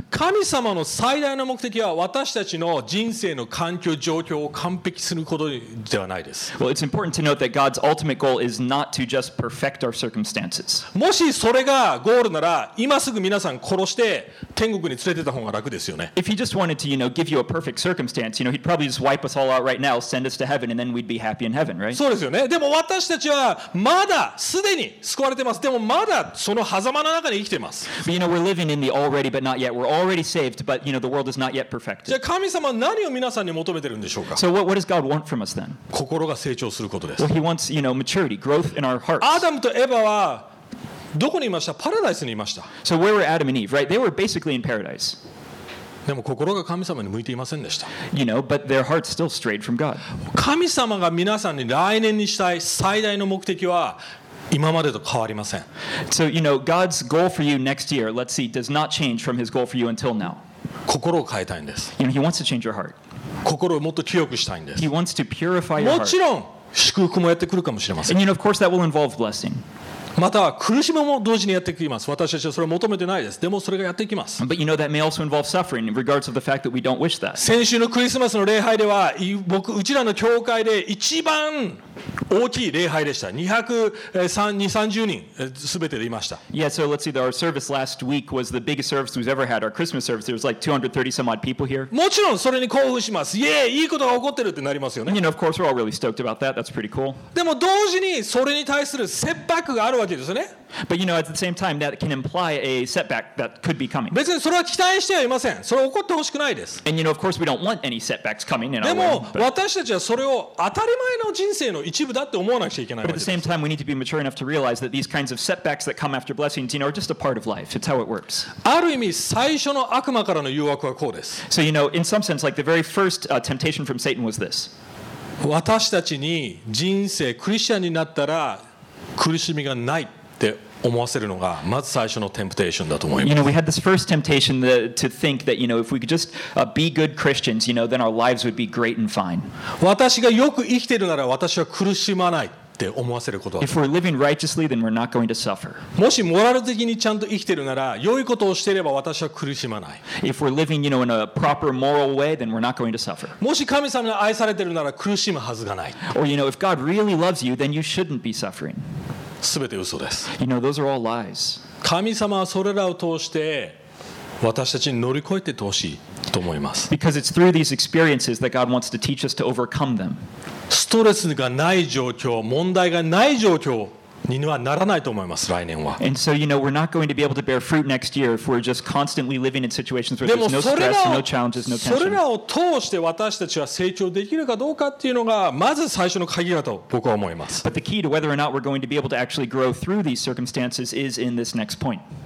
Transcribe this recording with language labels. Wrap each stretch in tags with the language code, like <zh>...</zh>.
<ja>神様の最大の目的は私たちの人生の環境、状況を完璧することではないです。</ja> <en>Well, it's important to note that God'sultimate goal is not to just perfect our circumstances.</en> <ja>もしそれがゴールなら、今すぐ皆さん殺して天国に連れてた方が楽ですよね。</ja> <en>If he just wanted to, you know, give you a perfect circumstance, you know, he'd probably just wipe us all out right now, send us to heaven, and then we'd be happy in heaven, right?</en> <ja>そうですよね。でも私たちはまだすでに救われてます。でもまだその狭間の中に生きてます。</ja> <en>But, you know, we're living in the already, but not yet. We're already saved, but you know, the world is not yet perfected.</en> <ja>じゃあ神様何を皆さんに求めてるんでしょうか</ja> <en>？So what does God want from us then?</en> <ja>心が成長することです。</ja> <en>Well, he wants you know, maturity, growth in our hearts.</en> <ja>Adam とエヴァはどこにいました? パラダイスにいました。</ja> <en>So where were Adam and Eve, right? They were basically in paradise.</en> <ja>でも心が神様に向いていませんでした。</ja> <en>You know, but their hearts still strayed from God.</en> <ja>神様が皆さんに来年にしたい最大の目的は今までと変わりません。</ja> <en>So, you know, God's goal for you next year, let's see, does not change from his goal for you until now.</en> <ja>心を変えたいんです。</ja> <en>You know, he wants to change your heart.</en> <ja>心をもっと清くしたいんです。</ja> <en>He wants to purify your heart.</en> <ja>もちろん祝福もやってくるかもしれません。</ja> <en>And you know, of course, that will involve blessing.</en> <ja>また苦しみも同時にやってきます。私たちはそれを求めてないです。でもそれがやってきます。</ja> <en>But you know, that may also involve suffering in regards of the fact that we don't wish that.</en> <ja>先週のクリスマスの礼拝では、僕、うちらの教会で一番大きい礼拝でした。 230人すべてでいました。</ja> <en>Yeah, so let's see, our service last week was the biggest service we've ever had. Our Christmas service, there was like 230 some odd people here.</en> <ja>もちろんそれに興奮します。イエーイ、いいことが起こってるってなりますよね。</ja> <en>You know, of course, we're all really stoked about that. That's pretty cool.</en> <ja>でも同時にそれに対する切迫があるわけですね。</ja> <en>But you know, at the same time, that can imply a setback that could be coming.</en> <ja>別にそれは期待してはいません。それは起こってほしくないです。</ja> <en>And you know, of course, we don't want any setbacks coming in our world.</en> <ja>でも私たちはそれを当たり前の人生の一部だって思わなくちゃいけないわけ。</ja> <en>But at the same time, we need to be mature enough to realize that these kinds of setbacks that come after blessings, you know, are just a part of life. It's how it works.</en> <ja>ある意味、最初の悪魔からの誘惑はこうです。</ja> <en>So you know, in some sense, like the very first temptation from Satan was this.</en> <ja>私たちに人生、クリスチャンになったら苦しみがないって。思わせるのがまず最初のテンプテーションだと思います。</ja> <en>You know, we had this first temptation to think that, you know, if we could just be good Christians, you know, then our lives would be great and fine.</en> <ja>私がよく生きているなら私は苦しまない。って思わせることは。</ja> <en>If we're living righteously, then we're not going to suffer.</en> <ja>もしモラル的にちゃんと生きてるなら、良いことをしてれば私は苦しまない。</ja> <en>If we're living, you know, in a proper moral way, then we're not going to suffer.</en> <ja>もし神様に愛されてるなら苦しむはずがない。</ja> <en>Or you know, if God really loves you, then you shouldn't be suffering.</en> <ja>全て嘘です。</ja> <en>You know, those are all lies.</en> <ja>神様はそれらを通して私たちに乗り越えてほしいと思います。</ja> <en>Because it's through these experiences that God wants to teach us to overcome them.</en> <ja>ストレスがない状況、問題がない状況にはならないと思います。来年は。</ja> <en>And so you know we're not going to be able to bear fruit next year if we're just constantly living in situations where there's no stress, no challenges, no tension.</en> <ja>それらを通して私たちは成長できるかどうかっていうのがまず最初の鍵だと僕は思います。</ja> <en>But the key to whether or not we're going to be able to actually grow through these circumstances is in this next point.</en>